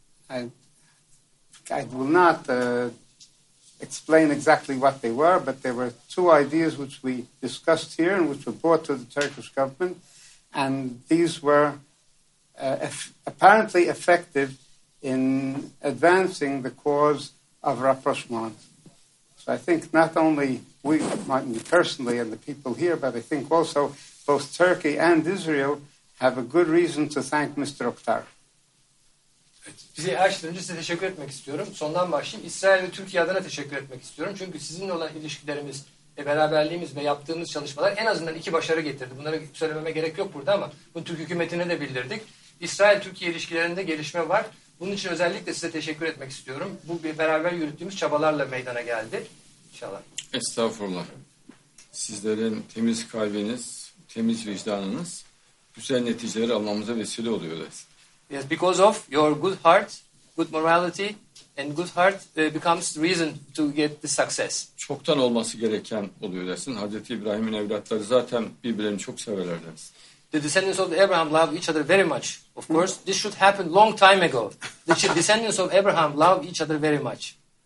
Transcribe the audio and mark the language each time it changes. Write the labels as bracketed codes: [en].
[en] I will not explain exactly what they were, but there were 2 ideas which we discussed here and which were brought to the Turkish government, and these were apparently effective in advancing the cause of rapprochement. So I think not only we, me personally and the people here, but I think also both Turkey and Israel have a good reason to thank Mr. Oktar. [tr] Bizi açtığınız için size teşekkür etmek istiyorum. Sondan başlayayım. İsrail ve Türkiye adına teşekkür etmek istiyorum. Çünkü sizinle olan ilişkilerimiz, beraberliğimiz ve yaptığımız çalışmalar en azından 2 başarı getirdi. Bunları söylememe gerek yok burada ama bunu Türk hükümetine de bildirdik. İsrail-Türkiye ilişkilerinde gelişme var. Bunun için özellikle size teşekkür etmek istiyorum. Bu bir beraber yürüttüğümüz çabalarla meydana geldi. İnşallah. Estağfurullah. Sizlerin temiz kalbiniz, temiz vicdanınız güzel neticeleri almamıza vesile oluyorlar. [en] Yes, because of your good heart good morality and good heart becomes reason to get the success. [tr] Çoktan olması gereken oluyor dersin. Hazreti İbrahim'in evlatları zaten birbirlerini çok severler dersin. [en] The descendants of Abraham love each other very much. Of course, this should happen long time ago. The descendants of Abraham love each other very much.